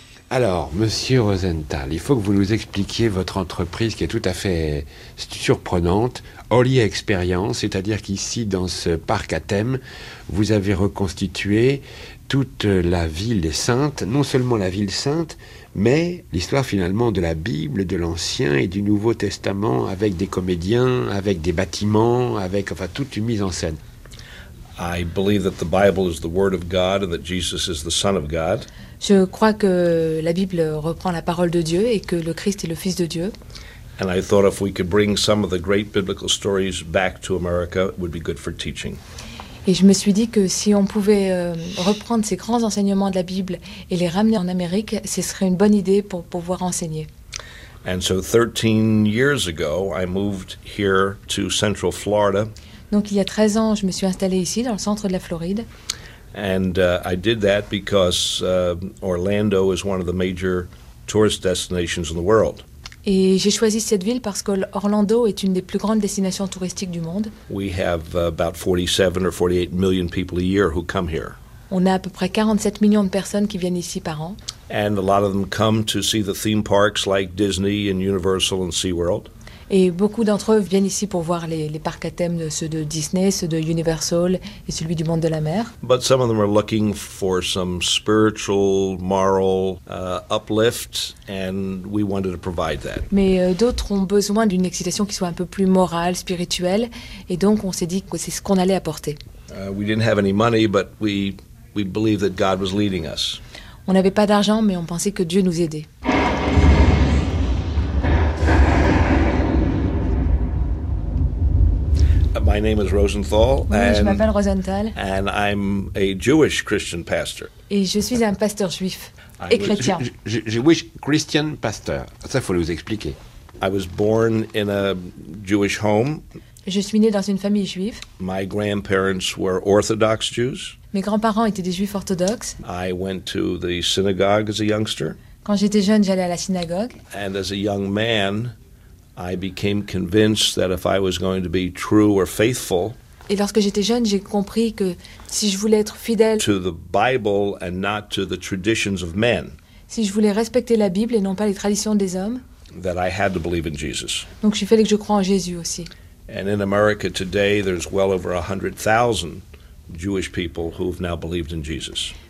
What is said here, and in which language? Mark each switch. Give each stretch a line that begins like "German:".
French: Alors, monsieur Rosenthal, il faut que vous nous expliquiez votre entreprise qui est tout à fait surprenante, Holly Experience, c'est-à-dire qu'ici dans ce parc à thème, vous avez reconstitué toute la ville sainte, non seulement la ville sainte, mais l'histoire finalement de la Bible, de l'Ancien et du Nouveau Testament, avec des comédiens, avec des bâtiments, avec enfin toute une mise en scène.
English: I believe that the Bible is the word of God and that Jesus is the Son of God.
French: Je crois que la Bible reprend la parole de Dieu et que le Christ est le Fils de Dieu.
English: And I thought if we could bring some of the great biblical stories back to America, it would be good for teaching.
French: Et je me suis dit que si on pouvait reprendre ces grands enseignements de la Bible et les ramener en Amérique, ce serait une bonne idée pour pouvoir enseigner.
English: And so 13 years ago, I moved here to Central Florida.
French: Donc il y a 13 ans, je me suis installé ici dans le centre de la Floride.
English: And I did that because Orlando is one of the major tourist destinations in the world.
French: Et j'ai choisi cette ville parce que Orlando est une des plus grandes destinations touristiques du monde.
English: We have about 47 or 48 million people a year who come here.
French: On a à peu près 47 millions de personnes qui viennent ici par an.
English: And a lot of them come to see the theme parks like Disney and Universal and SeaWorld.
French: Et beaucoup d'entre eux viennent ici pour voir les parcs à thème, ceux de Disney, ceux de Universal et celui du monde de la mer.
English: But some of them are looking for some spiritual, moral uplift, and we wanted to provide that.
French: Mais d'autres ont besoin d'une excitation qui soit un peu plus morale, spirituelle, et donc on s'est dit que c'est ce qu'on allait apporter.
English: We didn't have any money, but we believed that God was leading us.
French: On n'avait pas d'argent, mais on pensait que Dieu nous aidait.
English: My name is Rosenthal,
French: je m'appelle Rosenthal,
English: and I'm a Jewish Christian pastor.
French: Et je suis un pasteur juif et chrétien.
English: Jewish Christian pastor,
French: ça faut vous expliquer.
English: I was born in a Jewish home.
French: Je suis né dans une famille juive.
English: My grandparents were Orthodox Jews.
French: Mes grands-parents étaient des juifs orthodoxes.
English: I went to the synagogue as a youngster.
French: Quand j'étais jeune, j'allais à la synagogue.
English: And as a young man, I became convinced that if I was going to be true or faithful,
French: et lorsque j'étais jeune, j'ai compris que si je voulais être fidèle
English: to the Bible and not to the traditions of men,
French: si je voulais respecter la Bible et non pas les traditions des hommes,
English: that I had to believe in Jesus.
French: Donc il fallait que je croie en Jésus aussi.
English: And in America today, there's well over 100,000 Jewish people who have now believed in Jesus.